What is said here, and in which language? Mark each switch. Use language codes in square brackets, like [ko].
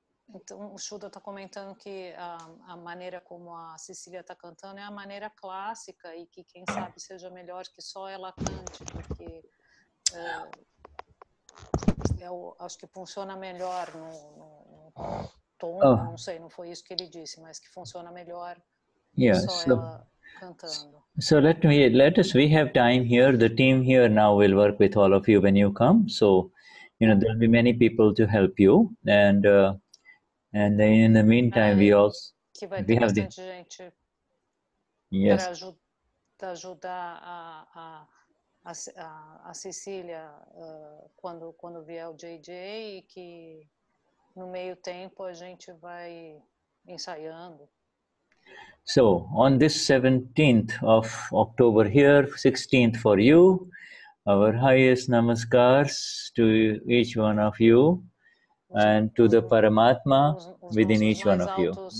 [pt] Então o Shuda está comentando que a maneira como a Cecília está cantando é a maneira clássica e que quem sabe seja melhor que só ela cante, porque acho que funciona melhor no tom, oh. Não sei, não foi isso que ele disse, mas que funciona melhor só ela cantando. [en] So let us, we have time here, the team here now will work with all of you when you come, so, you know, there will be many people to help you, and... And then in the meantime, we have the gente, yes, [pt] para ajudar a Cecília quando vier o JJ, e que no meio tempo a gente vai ensaiando. [en] So on this 17th of October here, 16th for you, our highest namaskars to each one of you. And to the Paramatma within each one of you.